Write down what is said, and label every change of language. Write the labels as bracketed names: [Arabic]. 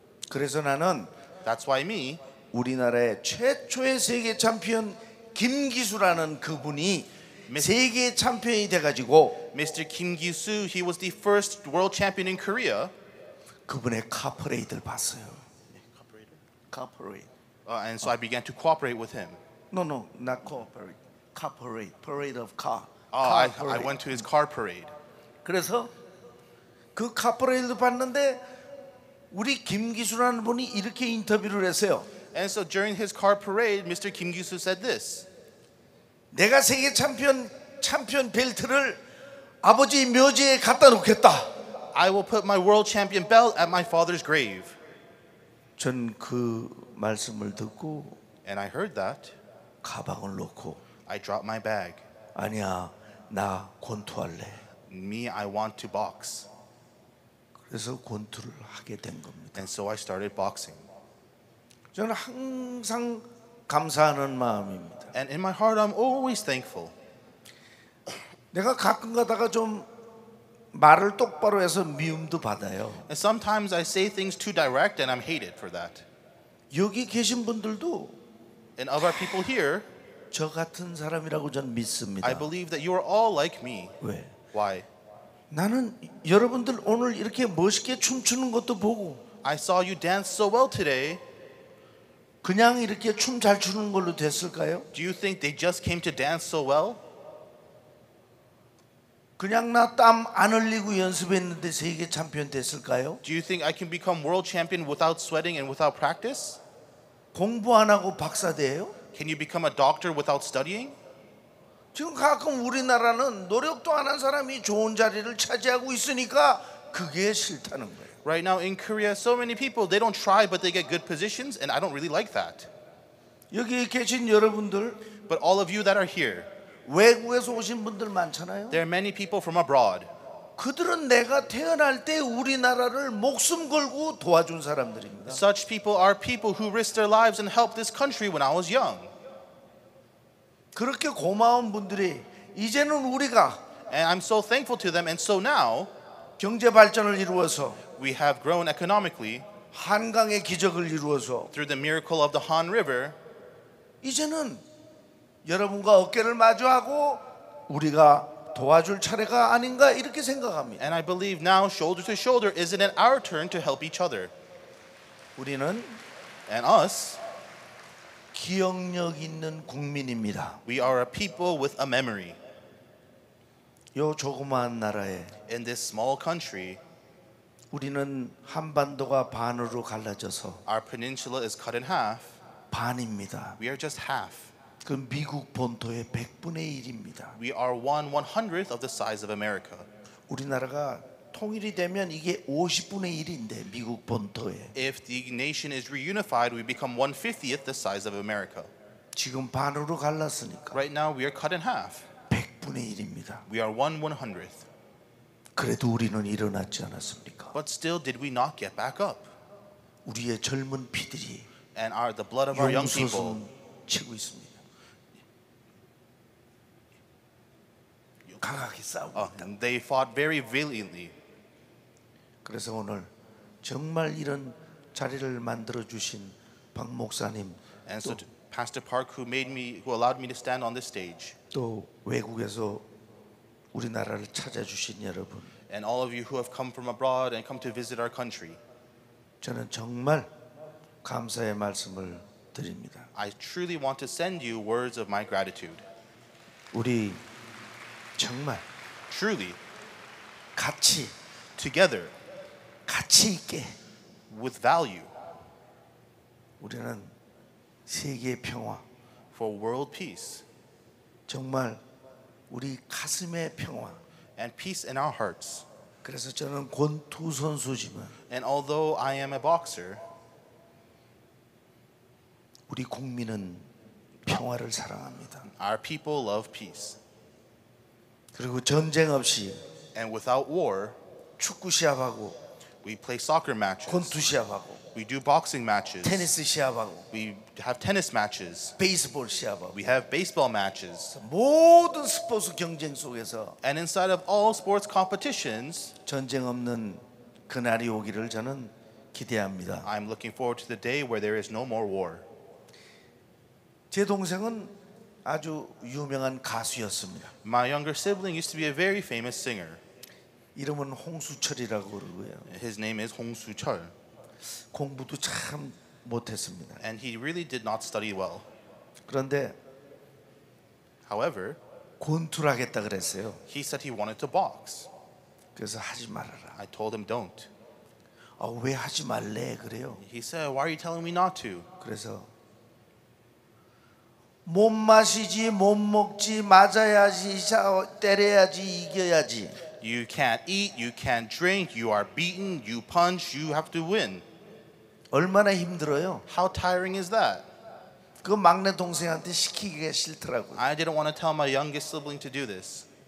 [Korean] 그래서 나는 [English] That's why me [Korean] 우리나라의 최초의 세계 챔피언 김기수라는 그분이 세계 챔피언이 돼 가지고 [English] Mr. Kim Gi-soo, he was the first world champion in Korea. [Korean] 그분의 카퍼레이드를 봤어요. [English] And so I began to cooperate with him. No, not cooperate. Car parade. Parade of car. I went to his car parade. [Korean] 그래서 그 car parade를 봤는데 우리 김기수라는 분이 이렇게 인터뷰를 했어요. [English] And so during his car parade, Mr. Kim Gi-soo said this. [Korean] 내가 세계 챔피언 벨트를 아버지 묘지에 갖다 놓겠다. [English] I will put my world champion belt at my father's grave. [Korean] 전 그 말씀을 듣고 [English] And I heard that [Korean] 가방을 놓고 [English] I dropped my bag [Korean] 아니야 나 권투할래 [English] Me, I want to box [Korean] 그래서 권투를 하게 된 겁니다 [English] And so I started boxing [Korean] 저는 항상 감사하는 마음입니다 [English] And in my heart, I'm always thankful [Korean] 내가 가끔 가다가 좀 말을 똑바로 해서 미움도 받아요. [English] And sometimes I say things too direct and I'm hated for that. [Korean] 여기 계신 분들도 [English] And of our people here [Korean] 저 같은 사람이라고 전 믿습니다. [English] I believe that you are all like me. [Korean] 왜? [English] Why? [Korean] 나는 여러분들 오늘 이렇게 멋있게 춤추는 것도 보고 [English] I saw you dance so well today. [Korean] 그냥 이렇게 춤 잘 추는 걸로 됐을까요? [English] Do you think they just came to dance so well? [Korean] 그냥 나 땀 안 흘리고 연습했는데 세계 챔피언 됐을까요? [English] Do you think I can become world champion without sweating and without practice? [Korean] 공부 안 하고 박사 돼요? [English] Can you become a doctor without studying? [Korean] 지금 가끔 우리나라는 노력도 안 한 사람이 좋은 자리를 차지하고 있으니까 그게 싫다는 거예요. [English] Right now in Korea, so many people, they don't try, but they get good positions, and I don't really like that. [Korean] 여기 계신 여러분들, [English] but all of you that are here, [Korean] 외국에서 오신 분들 많잖아요. [English] There are many people from abroad. [Korean] 그들은 내가 태어날 때 우리나라를 목숨 걸고 도와준 사람들입니다. [English] Such people are people who risked their lives and helped this country when I was young. [Korean] 그렇게 고마운 분들이 이제는 우리가 [English] And I'm so thankful to them and so now [Korean] 경제 발전을 이루어서 [English] We have grown economically [Korean] 한강의 기적을 이루어서 [English] Through the miracle of the Han River [Korean] 이제는 여러분과 어깨를 마주하고 우리가 도와줄 차례가 아닌가 이렇게 생각합니다. [English] And I believe now shoulder to shoulder isn't it our turn to help each other? [Korean] 우리는 [English] And us [Korean] 기억력 있는 국민입니다. [English] We are a people with a memory. [Korean] 요 조그마한 나라에 [English] In this small country [Korean] 우리는 한반도가 반으로 갈라져서 [English] Our peninsula is cut in half. [Korean] 반입니다. [English] We are just half. [Korean] 그 미국 본토의 100분의 1입니다. [English] We are 1/100th of the size of America. [Korean] 우리나라가 통일이 되면 이게 50분의 1인데 미국 본토에. [English] If the nation is reunified, we become 1/50th the size of America. [Korean] 지금 반으로 갈랐으니까. [English] Right now we are cut in half. [Korean] 100분의 1입니다. [English] We are 1/100th. [Korean] 그래도 우리는 일어났지 않았습니까? [English] But still did we not get back up? [Korean] 우리의 젊은 피들이 [English] And are the blood of our young people [Korean] 치고 있습니다. 강하게 싸웁니다. [English] They fought very valiantly. [Korean] 그래서 오늘 정말 이런 자리를 만들어 주신 박 목사님, [English] and so Pastor Park who made me, who allowed me to stand on this stage. [Korean] 또 외국에서 우리나라를 찾아 주신 여러분, [English] and all of you who have come from abroad and come to visit our country. [Korean] 저는 정말 감사의 말씀을 드립니다. [English] I truly want to send you words of my gratitude. [Korean] 우리 정말 [English] truly [Korean] 같이 [English] together [Korean] 같이 있게 [English] with value [Korean] 우리는 세계 평화 [English] for world peace [Korean] 정말 우리 가슴의 평화 [English] and peace in our hearts [Korean] 그래서 저는 권투 선수지만 [English] and although I am a boxer [Korean] 우리 국민은 평화를 사랑합니다 [English] our people love peace [Korean] 그리고 전쟁 없이 [English] and without war [Korean] 축구 시합하고 [English] we play soccer matches [Korean] 권투 시합하고 [English] we do boxing matches [Korean] 테니스 시합하고 [English] we have tennis matches [Korean] 베이스볼 시합하고 [English] we have baseball matches [Korean] 모든 스포츠 경쟁 속에서 [English] and inside of all sports competitions [Korean] 전쟁 없는 그날이 오기를 저는 기대합니다. [English] I'm looking forward to the day where there is no more war. [Korean] 제 동생은 아주 유명한 가수였습니다. [English] My younger sibling used to be a very famous singer. [Korean] 이름은 홍수철이라고 그러고요. [English] His name is 홍수철. [Korean] 공부도 참 못했습니다. [English] And he really did not study well. [Korean] 그런데 [English] However, [Korean] 권투를 하겠다 그랬어요. [English] He said he wanted to box. [Korean] 그래서 하지 말아라. [English] I told him don't. [Korean] 아, 왜 하지 말래 그래요. [English] He said why are you telling me not to? [Korean] 그래서 못 마시지, 못 먹지, 맞아야지, 때려야지, 이겨야지. [English] You can't eat, you can't drink, you are beaten, you punch, you have to win. [Korean] 얼마나 힘들어요? [English] How tiring is that? [Korean] 그 막내 동생한테 시키기가 싫더라고. [English] I didn't want to tell my youngest sibling to do this.